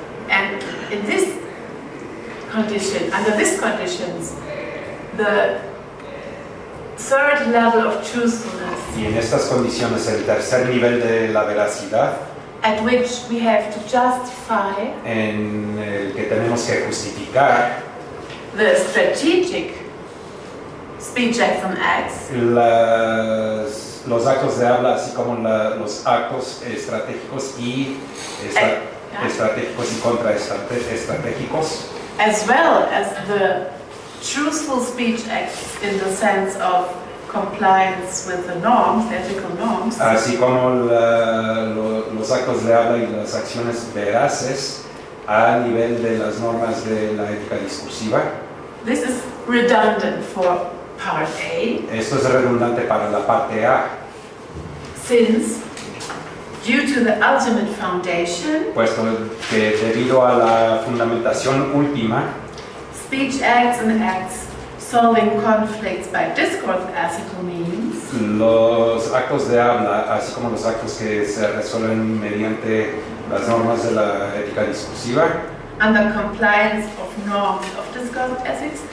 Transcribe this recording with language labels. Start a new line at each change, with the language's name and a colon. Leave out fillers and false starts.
English: And in this condition, under these conditions, the third level of truthfulness.
Spanish: Y en estas condiciones, el tercer nivel de la veracidad.
English: At which we have to justify.
Spanish: En el que tenemos que justificar.
English: The strategic speech acts and acts.
Spanish: Los actos de habla, así como los actos estratégicos y estratégicos y contraestratégicos.
English: As well as the truthful speech acts in the sense of compliance with the norms, ethical norms.
Spanish: Así como los actos de habla y las acciones veraces a nivel de las normas de la ética discursiva.
English: This is redundant for part A.
Spanish: Esto es redundante para la parte A.
English: Since, due to the ultimate foundation,
Spanish: puesto que debido a la fundamentación última,
English: speech acts and acts solving conflicts by discourse ethical means,
Spanish: los actos de habla, así como los actos que se resuelven mediante las normas de la ética discursiva,
English: and the compliance of norms of discourse ethics,